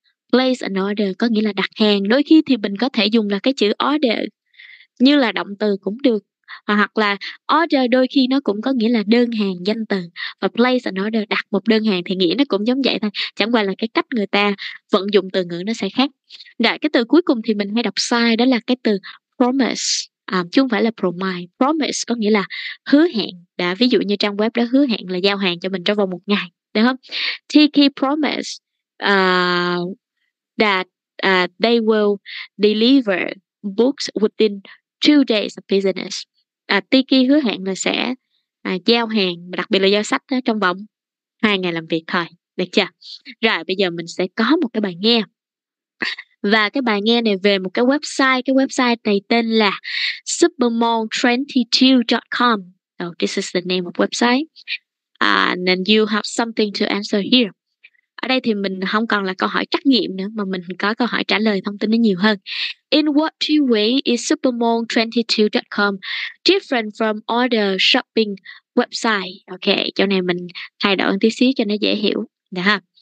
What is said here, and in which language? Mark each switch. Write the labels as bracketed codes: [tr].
[vi] Place an order có nghĩa là đặt hàng. Đôi khi thì mình có thể dùng là cái chữ order như là động từ cũng được, hoặc là order đôi khi nó cũng có nghĩa là đơn hàng danh từ, và place an order đặt một đơn hàng thì nghĩa nó cũng giống vậy thôi, chẳng qua là cái cách người ta vận dụng từ ngữ nó sẽ khác. Đại cái từ cuối cùng thì mình hay đọc sai, đó là cái từ promise, chứ không phải là promise. Promise có nghĩa là hứa hẹn. Đã ví dụ như trang web đó hứa hẹn là giao hàng cho mình trong vòng một ngày, được không? [en] TK promise that they will deliver books within 2 days of business. [vi] Tiki hứa hẹn là sẽ giao hàng, đặc biệt là giao sách đó, trong vòng 2 ngày làm việc thôi. Được chưa? Rồi, bây giờ mình sẽ có một cái bài nghe. Và cái bài nghe này về một cái website. Cái website này tên là supermall22.com. [en] So, this is the name of website. And then you have something to answer here. [vi] Ở đây thì mình không còn là câu hỏi trắc nghiệm nữa, mà mình có câu hỏi trả lời thông tin nó nhiều hơn. [en] In what two ways is supermall22.com different from other shopping website? [vi] Ok, chỗ này mình thay đổi tí xíu cho nó dễ hiểu. Đã ha?